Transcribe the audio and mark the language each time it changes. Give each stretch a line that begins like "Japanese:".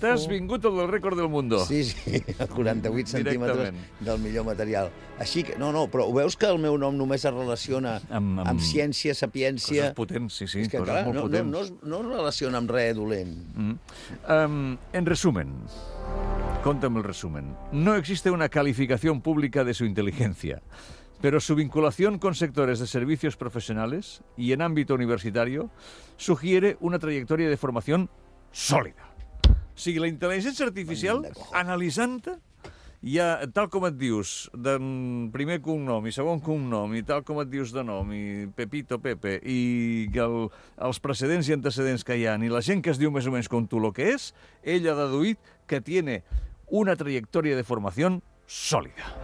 Catalan: T'has vingut al del rècord del mundo. Sí, sí, a 48 centímetres del millor material. Així que, no, però ho veus que el meu nom només es relaciona amb ciència, sapiència... Coses potents, sí, és que, clar, molt potents. No es relaciona amb res dolent.
Spanish: En resumen, Cuéntame el resumen. No existe una calificación pública de su inteligencia, pero su vinculación con sectores de servicios profesionales y en ámbito universitario sugiere una trayectoria de formación sòlida.
Catalan: O sigui, la intel·ligència artificial, analitzant-te, ja, tal com et dius, de primer cognom i segon cognom, i tal com et dius de nom, i Pepito, Pepe, i els precedents i antecedents que hi ha, i la gent que es diu més o menys com tu lo que és, ell ha deduït que tiene una trajectòria de formació sòlida.